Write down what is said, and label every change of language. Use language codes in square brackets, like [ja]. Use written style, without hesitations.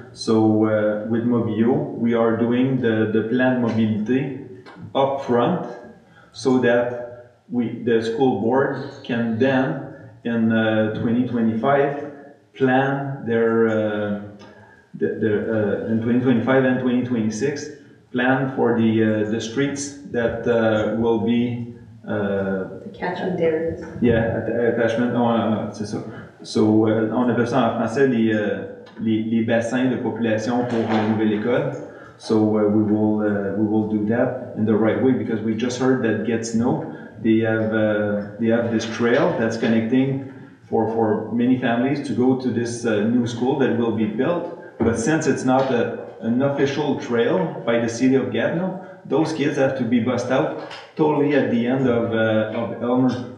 [en] So with Mobilio, we are doing the plan mobility up front, so that the school board can then in 2025 plan their in 2025 and 2026, plan for the streets that will be the catchment areas. Yeah, attachment. [fr] C'est ça. So on appelle ça en français les bassins de population pour la nouvelle école. [en] So we will do that in the right way, because we just heard that Gatineau, they have this trail that's connecting for many families to go to this new school that will be built. But since it's not an official trail by the city of Gatineau, those kids have to be bussed out totally at the end of Elmer.